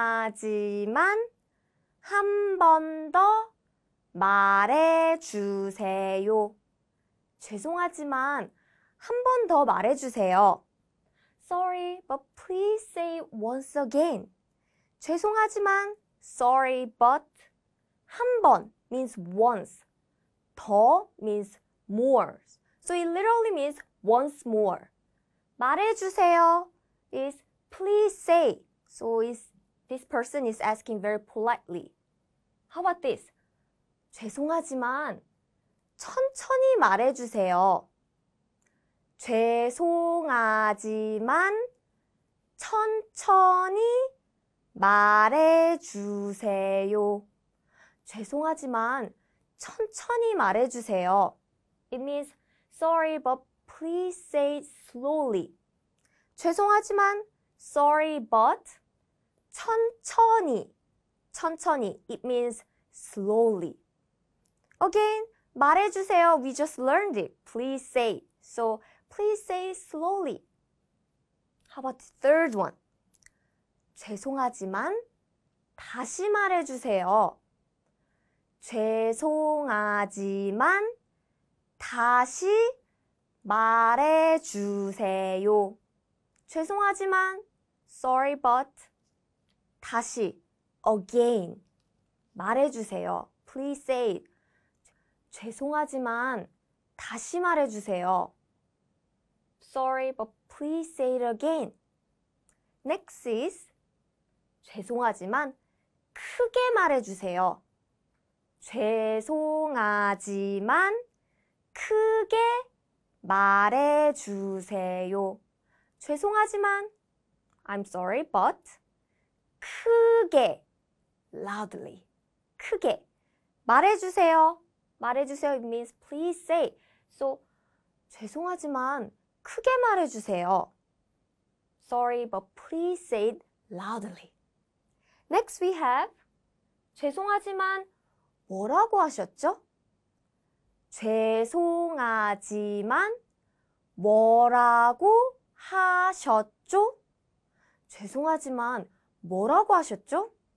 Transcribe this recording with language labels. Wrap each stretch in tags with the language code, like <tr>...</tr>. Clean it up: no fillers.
<ko>죄송하지만 한 번 더 말해주세요. 죄송하지만 한 번 더 말해주세요.</ko> <en>Sorry, but please say it once again.</en> <ko>죄송하지만</ko> <en>Sorry, but</en> <ko>한 번</ko> <en>means once. 더 means more. So it literally means once more.</en> <ko>말해주세요</ko> <en>is please say. So this person is asking very politely. How about this?</en> <ko>죄송하지만 천천히 말해주세요. 죄송하지만 천천히 말해주세요. 죄송하지만 천천히 말해주세요.</ko> <en>It means sorry, but please say it slowly.</en> <ko>죄송하지만</ko> <en>sorry, but</en> <ko>천천히 천천히</ko> <en>It means slowly. Again,</en> <ko>말해주세요.</ko> <en>We just learned it. Please say. So please say it slowly. How about the third one?</en> <ko>죄송하지만 다시 말해주세요. 죄송하지만 다시 말해주세요. 죄송하지만</ko> <en>sorry but</en> <ko>다시</ko> <en>again</en> <ko>말해주세요.</ko> <en>Please say it.</en> <ko>죄송하지만 다시 말해주세요.</ko> <en>Sorry but please say it again. Next is</en> <ko>죄송하지만 크게 말해주세요. 죄송하지만 크게 말해주세요. 죄송하지만</ko> <en>I'm sorry, but</en> <ko>크게</ko> <en>loudly</en> <ko>크게 말해주세요. 말해주세요</ko> <en>it means please say.</en> <ko>So 죄송하지만 크게 말해주세요.</ko> <en>Sorry, but please say it loudly. Next we have</en> <ko>죄송하지만 뭐라고 하셨죠? 죄송하지만 뭐라고 하셨죠? 죄송하지만 뭐라고 하셨죠?</ko>